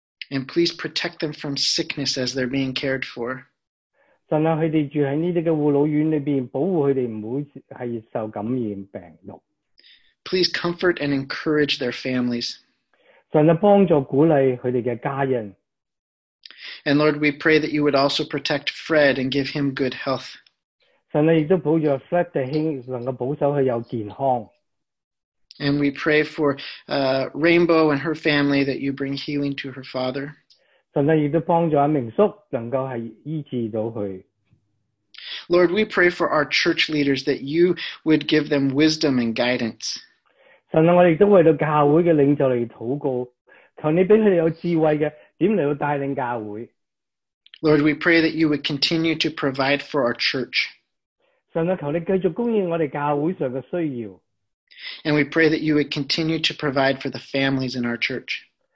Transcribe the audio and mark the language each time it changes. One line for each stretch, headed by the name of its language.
English: And please protect them from sickness as they're being cared for.
Cantonese: 神啊，佢哋住喺呢啲嘅护老院里边，保护佢哋唔会系受感染病毒。
English: Please comfort and encourage their families.
Cantonese: 神啊，帮助鼓励佢哋嘅家人。
English: And Lord, we pray that you would also protect Fred and give him good health.
Cantonese: 神啊，亦都保佑 Fred 嘅兄能够保守佢有健康。
English: And we pray for Rainbow and her family that you bring healing to her father.
Cantonese: 神啊，亦都帮助阿明叔能够系医治到佢。
English: Lord, we pray for our church leaders that you would give them wisdom and guidance.
Cantonese: 神啊，我哋都为到教会嘅领袖嚟祷告，求你俾佢哋有智慧嘅，点嚟到带领教会。
English: Lord, we pray that you would continue to provide for our church.
Cantonese: 神啊，求你继续供应我哋教会上嘅需要。
English: And we pray that you would continue to provide for the families in our church.